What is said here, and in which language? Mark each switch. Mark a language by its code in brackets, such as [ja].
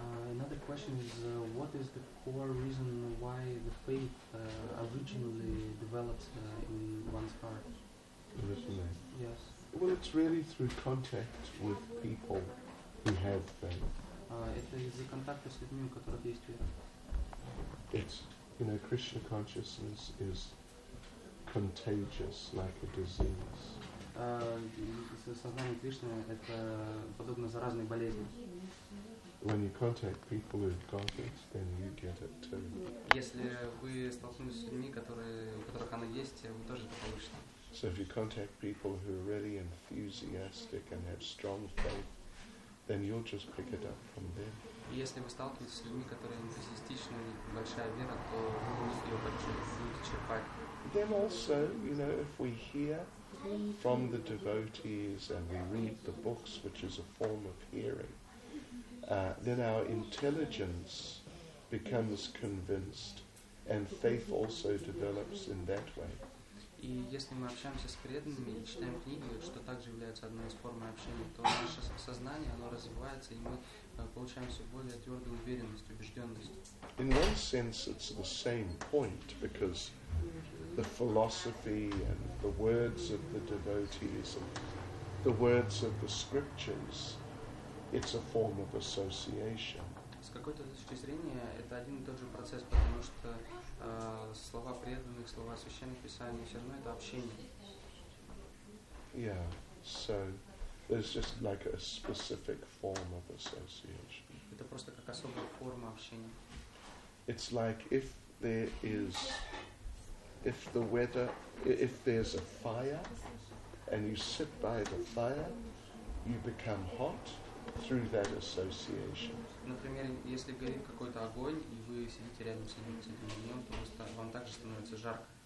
[en] Another question is, what is the core reason why the faith originally developed in one's heart? Originally? Yes. Well, it's really through contact with people who have faith. [ru] Это из-за контакта с людьми, у которых есть вера. [en] It's, you know, Krishna consciousness is contagious like a disease. [ru] Сознание Кришны – это подобно заразной болезни. [en] When you contact people who've got it, then you get it too. [ru] Если вы столкнулись с людьми, которые, у которых она есть, вы тоже это получите. [en] So if you contact people who are really enthusiastic and have strong faith, then you'll just pick it up from them. [ru] Если вы сталкиваетесь с людьми, которые энтузиастичны, большая вера, то вы будете ее почерпать. [en] Then also, you know, if we hear from the devotees and we read the books, which is a form of hearing, then our intelligence becomes convinced and faith also develops in that way. [ru] И если мы общаемся с преданными и читаем книги, что также является одной из форм общения, то наше сознание, оно развивается, и мы получаем все более твердую уверенность, убежденность. [en] In one sense, it's the same point, because the philosophy and the words of the devotees and the words of the scriptures, it's a form of association. [ru] С какой-то точки зрения это один и тот же процесс, потому что слова преданных, слова священных писаний, все равно это общение. [en] Yeah, so there's just like a specific form of association. [ru] Это просто как особая форма общения. [en] It's like if there is, if the weather, if there's a fire, and you sit by the fire, you become hot. Through that association. [ru] Например, если горит какой-то огонь и вы сидите рядом с этим огнем, то вам также становится жарко.